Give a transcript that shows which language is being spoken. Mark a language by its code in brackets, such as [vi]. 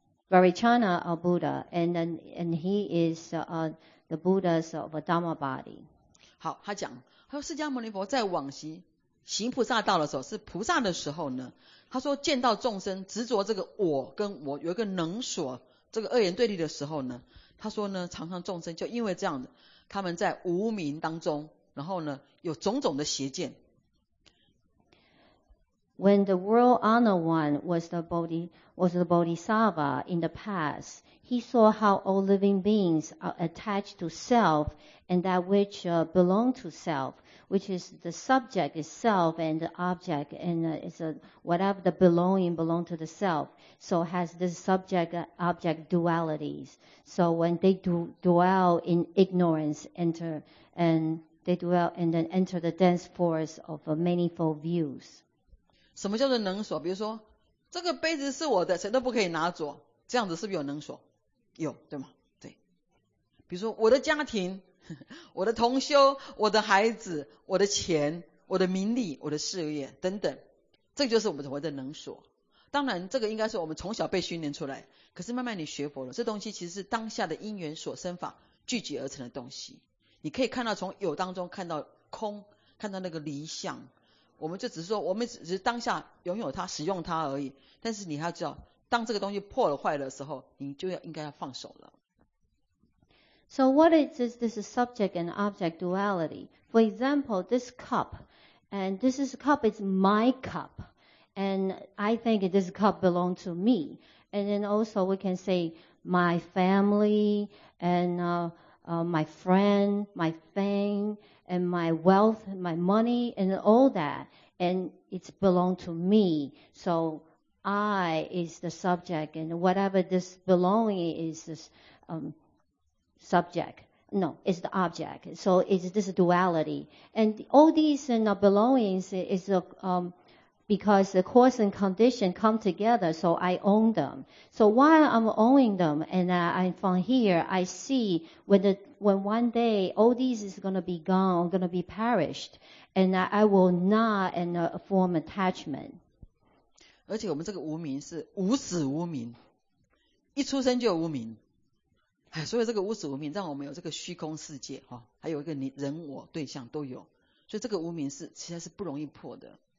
[en] Varichana or Buddha, and he is the Buddha's of a Dharma body. [zh] 好，他讲，他说释迦牟尼佛在往昔行菩萨道的时候，是菩萨的时候呢。他说见到众生执着这个我跟我有一个能所这个二元对立的时候呢，他说呢，常常众生就因为这样的，他们在无明当中，然后呢有种种的邪见。 [en] When the world honor one was the Bodhisattva in the past, he saw how all living beings are attached to self and that which belong to self, which is the subject itself and the object and it's a, whatever the belong to the self. So has this subject object dualities. So when they dwell in ignorance, enter the dense forest of manifold views. [zh] 什么叫做能所？比如说，这个杯子是我的，谁都不可以拿走。这样子是不是有能所？有，对吗？对。比如说，我的家庭、我的同修、我的孩子、我的钱、我的名利、我的事业等等，这就是我们所谓的能所。当然，这个应该是我们从小被训练出来。可是慢慢你学佛了，这东西其实是当下的因缘所生法聚集而成的东西。你可以看到从有当中看到空，看到那个离相。我们就只是说，我们只是当下拥有它、使用它而已。但是你还要知道，当这个东西破了、坏的时候，你就要应该要放手了。 [en] So what is this, this is subject and object duality? For example, this cup, and this is cup is my cup, and I think this cup belongs to me. And then also we can say my family and my friend, my fame. And my wealth, my money, and all that, and it belongs to me. So I is the subject, and whatever this belonging is, this, subject. No, it's the object. So it's this duality. And all these belongings is because the cause and condition come together, so I own them. So while I'm owning them, and I'm from here, I see when one day all these is going to be gone, going to be perished, and I will not and form attachment. [zh] 而且我们这个无明是无始无明，一出生就有无明。哎，所以这个无始无明让我们有这个虚空世界，哈，还有一个人我对象都有，所以这个无明是其实是不容易破的。